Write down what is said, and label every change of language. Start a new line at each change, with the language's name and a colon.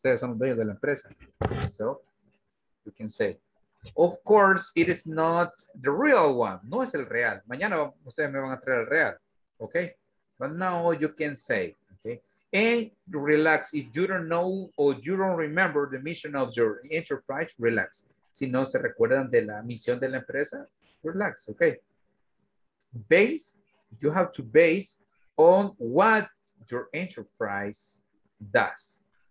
Spanish: Ustedes son dueños de la empresa.
English: So you can say, of course, it is not the real one.
Spanish: No es el real. Mañana ustedes me van a traer el real, okay?
English: But now you can say, okay? And relax. If you don't know or you don't remember the mission of your enterprise, relax.
Spanish: Si no se recuerdan de la misión de la empresa, relax, okay?
English: Base, you have to base on what your enterprise does.